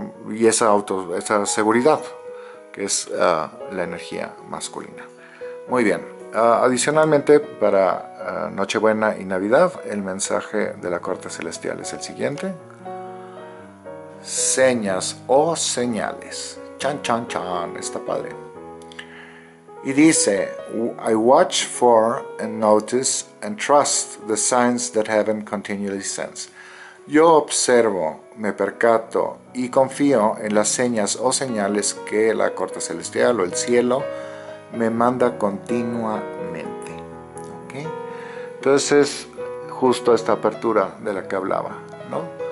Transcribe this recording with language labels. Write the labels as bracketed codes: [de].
[es] Y esa seguridad, que es la energía masculina. Muy bien. Adicionalmente, para Nochebuena y Navidad, el mensaje de la Corte Celestial es el siguiente: señas o señales. Chan, chan, chan. Está padre. Y dice: [en] I watch for and notice and trust the signs that heaven continually sends. [es] Yo observo, me percato y confío en las señas o señales que la corte celestial o el cielo me manda continuamente. ¿Okay? Entonces, justo esta apertura de la que hablaba, ¿no?